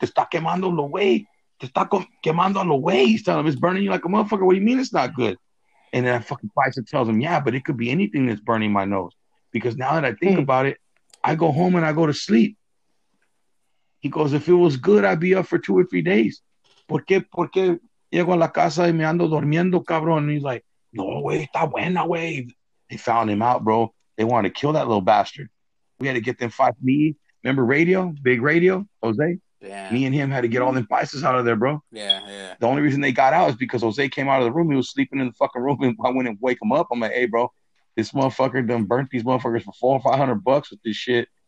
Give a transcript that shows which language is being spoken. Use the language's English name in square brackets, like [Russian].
[Spanish] Te está quemando lo way. Te está quemando lo way. [English] He's telling him, it's burning you like a motherfucker. What do you mean it's not good? And then a fucking paisa tells him, yeah, but it could be anything that's burning my nose. Because now that I think about it, I go home and I go to sleep. He goes, if it was good, I'd be up for 2 or 3 days. [Spanish] ¿Por qué llego a la casa y me ando durmiendo, cabrón? [English] And he's like, [Spanish] no, güey, está buena, güey. [English] They found him out, bro. They wanted to kill that little bastard. We had to get them five. Me, remember Radio, Big Radio, Jose? Damn. Me and him had to get all them vices out of there, bro. Yeah, yeah. The only reason they got out is because Jose came out of the room. He was sleeping in the fucking room, and I went and wake him up. I'm like, hey, bro, this motherfucker done burnt these motherfuckers for $400 or $500 with this shit.